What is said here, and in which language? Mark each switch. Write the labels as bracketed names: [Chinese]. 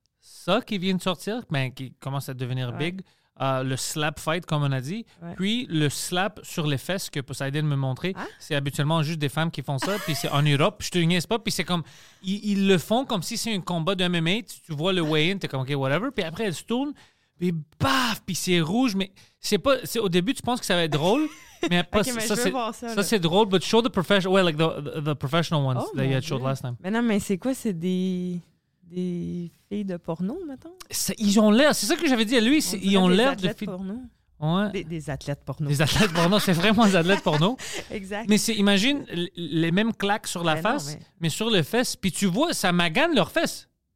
[French] Ça qui vient de sortir, ben, qui commence à devenir big, le slap fight, comme on a dit, puis le slap sur les fesses que Poseidon me montrait. Hein? C'est habituellement juste des femmes qui font ça, puis c'est en Europe, je te niaise pas, puis c'est comme, ils le font comme si c'est un combat de MMA, tu vois le weigh-in, t'es comme, OK, whatever, puis après, elle se tourne, puis baf, puis c'est rouge, mais c'est pas, c'est, au début, tu penses que ça va être drôle, mais après, [English] okay, [French] ça c'est drôle, [English] but show the professional, well, like the professional ones that you had showed last time. [French] Mais non, mais c'est quoi, c'est des filles de porno, mettons? Ils ont l'air, c'est ça que j'avais dit à lui, ils ont l'air de filles de porno. Ouais. Des athlètes porno. Des athlètes porno, c'est vraiment des athlètes porno. Exact. Mais c'est, imagine les mêmes claques sur la ben face, non, mais sur les fesses, puis tu vois, ça magane leurs fesses.